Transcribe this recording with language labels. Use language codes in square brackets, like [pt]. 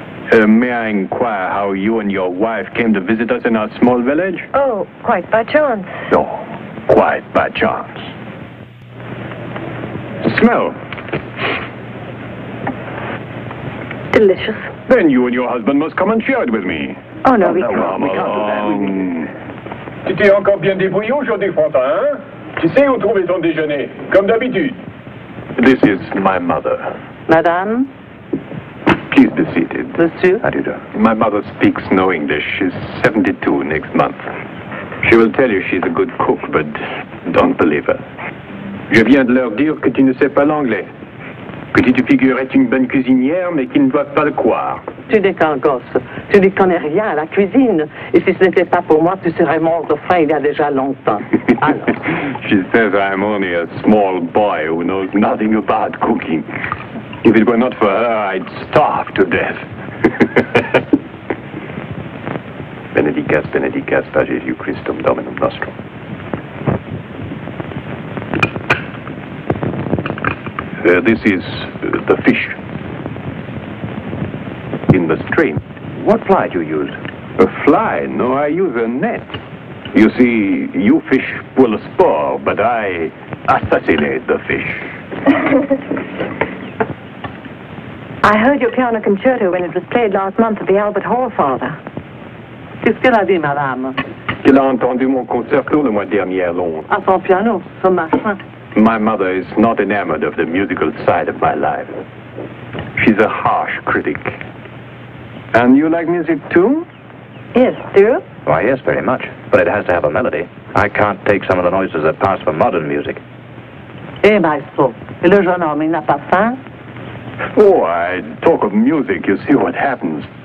[en] May I inquire how you and your wife came to visit us in our small village? Oh, quite by chance. No, quite by chance. Smell. Delicious. Then you and your husband must come and share it with me. Oh, no, we can't. Come along. [fr] Tu t'es encore bien débrouillé aujourd'hui, Frontin, hein? Tu sais où trouver ton déjeuner, comme d'habitude. [en] This is my mother. [fr] Madame? [en] Please be seated. [fr] Monsieur? [en] How do you do? My mother speaks no English. She's 72 next month. She will tell you she's a good cook, but don't believe her. [fr] Je viens de leur dire que tu ne sais pas l'anglais. Que tu te figures être une bonne cuisinière, mais qu'ils ne doivent pas le croire. Tu n'es qu'un gosse. Tu n'y connais rien à la cuisine. Et si ce n'était pas pour moi, tu serais mort de faim il y a déjà longtemps. Alors. [en] She says I'm only a small boy who knows nothing about cooking. If it were not for her, I'd starve to death. [la] Benedicas, Benedicas, Pagesiu Christum Dominum Nostrum. [en] This is the fish. In the stream. What fly do you use? A fly? No, I use a net. You see, you fish pull a spore, but I assassinate the fish. I heard your piano concerto when it was played last month at the Albert Hall, Father. [fr] Qu'est-ce qu'elle a dit, madame? Qu'elle a entendu mon concerto le mois dernier à Londres. À son piano, son machin. [en] My mother is not enamored of the musical side of my life. She's a harsh critic. And you like music too? Yes, do you? Why, yes, very much. But it has to have a melody. I can't take some of the noises that pass for modern music. [fr] Eh, maestro, et le jeune homme, il n'a pas faim? [en] Oh, I talk of music, you see what happens.